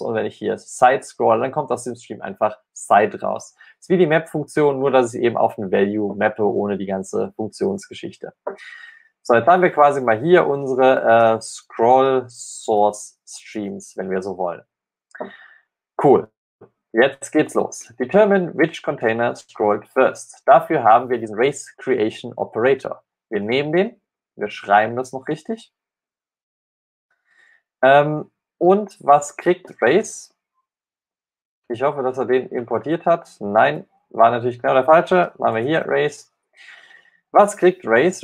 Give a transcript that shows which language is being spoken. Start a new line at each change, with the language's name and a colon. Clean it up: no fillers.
German: Und wenn ich hier Side scrolle, dann kommt aus diesem Stream einfach Side raus. Das ist wie die Map-Funktion, nur dass ich eben auf ein Value mappe, ohne die ganze Funktionsgeschichte. So, jetzt haben wir quasi mal hier unsere Scroll-Source-Streams, wenn wir so wollen. Cool. Jetzt geht's los.
English: Determine which container scrolled first.
German: Dafür haben wir diesen Race-Creation-Operator. Wir nehmen den, wir schreiben das noch richtig. Und was kriegt Race? Ich hoffe, dass er den importiert hat. Nein, war natürlich genau der falsche. Machen wir hier Race. Was kriegt Race?